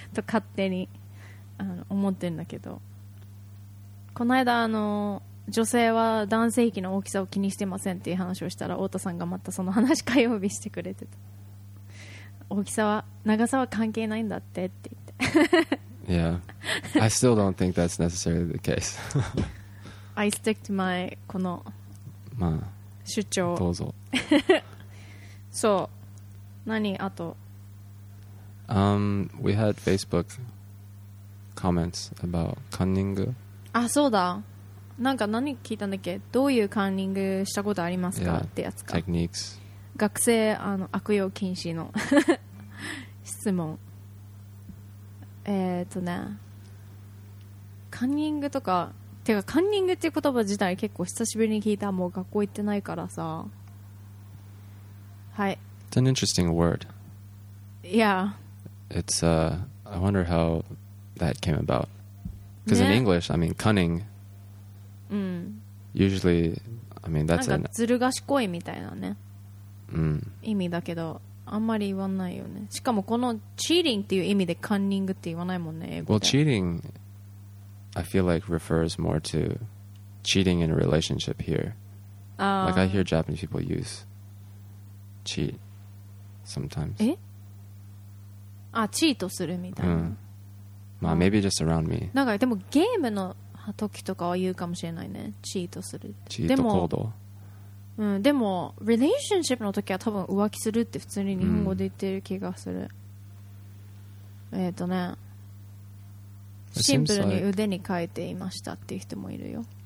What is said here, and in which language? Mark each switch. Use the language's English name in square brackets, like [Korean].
[Japanese] と勝手に、あの、思ってるんだけど。この間、あの、女性は男性器の大きさを気にしてませんっていう話をしたら、太田さんがまたその話火曜日してくれてた。大きさは、長さは関係ないんだってって言って。 [English] Yeah. I still don't think that's necessarily the case. I stick to my, [Japanese] この、まあ、主張。どうぞ。そう。何、あと。 [English] We had Facebook comments about cunning. [Japanese] あ、そうだ。なんか何聞いたんだっけ、どういうカンニングしたことありますか、 [English] yeah. [Japanese] ってやつか、 [English] Techniques. [Japanese] 学生、あの、悪用禁止の質問、ね、カンニングとか、てかカンニングっていう言葉自体結構久しぶりに聞いた、もう学校行ってないからさ、はい、 [English] It's an interesting word. Yeah. It's, I wonder how that came about. Because、 [Japanese] ね、 [English] in English, I mean, cunningUsually, I mean, that's [Japanese] なんかずる賢いみたいなね、うん、意味だけど、あんまり言わないよね。しかもこのチーリングっていう意味でカンニングって言わないもんね、英語で。 [English] Well, cheating I feel like refers more to cheating in a relationship here. Like I hear Japanese people use cheat sometimes. [Japanese] え？あ、チートするみたいな、うん、まあ、 [English] maybe just around me. [Japanese] なんかでもゲームの時とかは言うかもしれないね、チートする、チート行動、うん、でも relationship の時は多分浮気するって普通に日本語で言ってる気がする、うん、ね、シンプルに腕に書いていましたっていう人もいるよ、